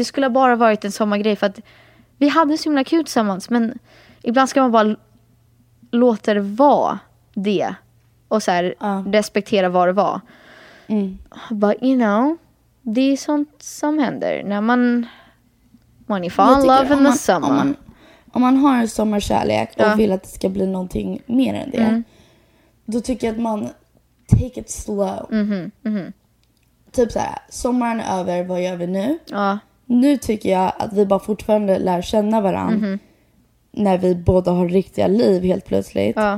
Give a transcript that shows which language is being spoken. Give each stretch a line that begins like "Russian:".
Swedish: Det skulle bara varit en sommargrej för att vi hade så himla kul tillsammans. Men ibland ska man bara låta det vara det och så här respektera vad det var. Mm.
English: But you know,
Swedish: det är sånt som händer när man...
English: When you fall in love in the summer.
Swedish: Om man har en sommarkärlek och vill att det ska bli någonting mer än det, då tycker jag att man
English: take it slow.
Swedish: Typ så här, sommaren är över, vad gör vi nu? Nu tycker jag att vi bara fortfarande lär känna varandra när vi båda har riktiga liv helt plötsligt.